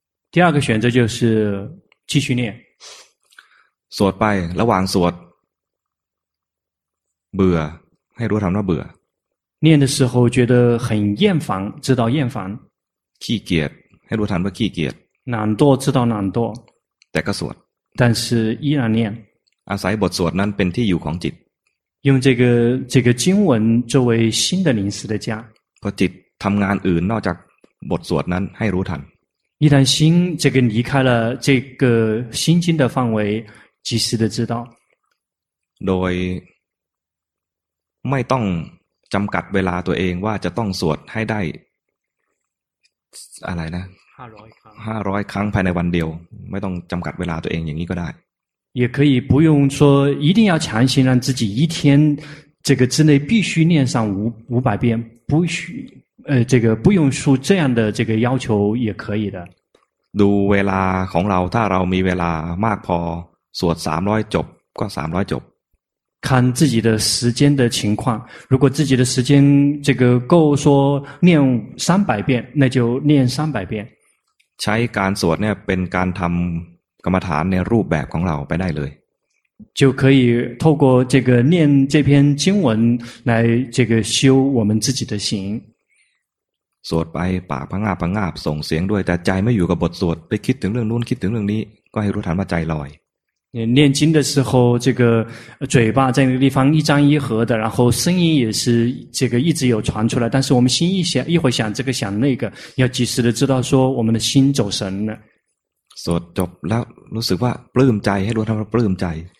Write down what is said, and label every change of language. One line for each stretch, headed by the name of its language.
Chinese: 第二个选择就是继续念。
Thai: สวดไประหว่างสวดเบื่อให้รู้ทันว่าเบื่อ
Chinese: 念的时候觉得很厌烦知道厌烦
Thai: ขี้เกียจให้รู้ทันว่าขี้เกียจ
Chinese: 懒惰知道懒惰
Thai: แต่ก็สวด
Chinese: 但是依然念
Thai: อาศัยบทสวดนั้นเป็นที่อยู่ของจิต
Chinese: 用这个经文作为新的临时的家
Thai: พอจิตทำงานอื่นนอกจากบทสวดนั้นให้รู้ทัน
Chinese: 一旦心这个离开了这个心经的范围及时的知道
Thai: โดยไม่ต้องจำกัดเวลาตัวเองว่าจะต้องสวดให้ได้อะไรนะ 500 ครั้งภายในวันเดียวไม่ต้องจำกัดเวลาตัวเองอย่างนี้ก็ได้
Chinese: 也可以不用说一定要强行让自己一天这个之内必须念上500遍不需这个不用说这样的这个要求也可以的
Thai: ดูเวลาของเราถ้าเรามีเวลามากพอสวด300จบก็300จบ
Chinese: 看自己的时间的情况，如果自己的时间这个够说念三百遍，那就念三百遍。
Thai: ใช้การสวดเนี่ยเป็นการทำกรรมฐานในรูปแบบของเราไปได้เลย。
Chinese: 就可以透过这个念这篇经文来这个修我们自己的行。
Thai: สวดไปปากพงาบพงาบส่งเสียงด้วยแต่ใจไม่อยู่กับบทสวดไปคิดถึงเรื่องนู้นคิดถึงเรื่องนี้ก็ให้รู้ทันว่าใจลอย。
Chinese: 念经的时候这个嘴巴在那个地方一张一合的然后声音也是这个一直有传出来但是我们心一会想这个想那个要及时的知道说我们的心走神了所以就了如此话不用在还是不用在